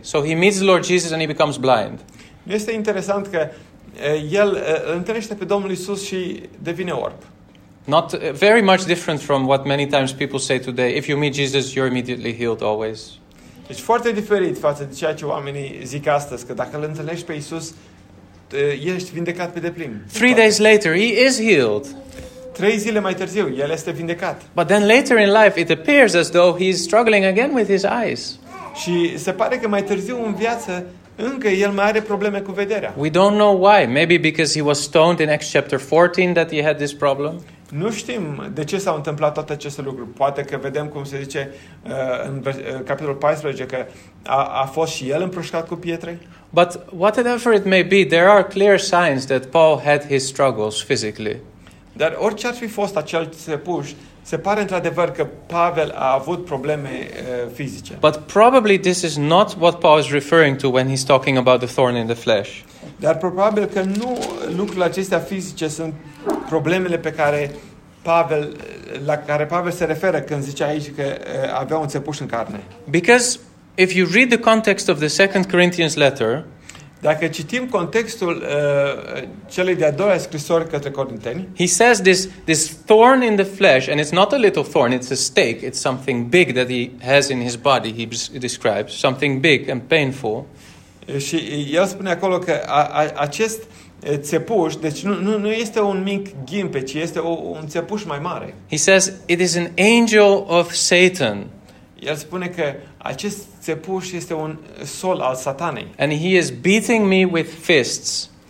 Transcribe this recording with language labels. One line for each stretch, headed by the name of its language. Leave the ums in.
English: So he meets the Lord Jesus and he becomes blind.
Romanian: Nu este interesant că uh, el uh, întâlnește pe Domnul Isus și devine orb.
English: Not uh, very much different from what many times people say today. If you meet Jesus, you're immediately healed always.
Romanian: Este deci, foarte diferit față de ceea ce oamenii zic astăzi, că dacă îl întâlnești pe Isus, ești vindecat pe deplin.
English: Three days later, he is healed.
Romanian: Trei zile mai târziu, el este vindecat.
English: But then later in life, it appears as though he's struggling again with his eyes.
Romanian: Și se pare că mai târziu în viață încă el mai are probleme cu vederea.
English: We don't know why. Maybe because he was stoned in Acts chapter 14 that he had this problem.
Romanian: Nu știm de ce s-au întâmplat toate aceste lucruri. Poate că vedem cum se zice uh, în uh, capitolul 14 că a, a fost și el împrușcat cu pietre.
English: But whatever it may be, there are clear signs that Paul had his struggles physically.
Romanian: Dar orice ar fi fost acel sepuș, se pare într-adevăr că Pavel a avut probleme uh, fizice.
English: But probably this is not what Paul is referring to when he's talking about the thorn in the flesh.
Romanian: Dar probabil că nu lucrurile acestea fizice sunt problemele pe care Pavel, la care Pavel se referă când zice aici că uh, avea un țepuș în carne.
English: Because if you read the context of the Second Corinthians letter,
Romanian: dacă citim contextul uh, celei de-a doua scrisori către Corinteni,
English: he says this, this thorn in the flesh, and it's not a little thorn, it's a stake, it's something big that he has in his body, he b- describes, something big and painful.
Romanian: Și el spune acolo că a, a, acest țepuș, deci nu, nu, nu este un mic ghimpe, ci este o, un țepuș mai mare.
English: He says, it is an angel of Satan.
Romanian: El spune că Acest țepuș este un sol al satanei.
English: And he is beating me with fists.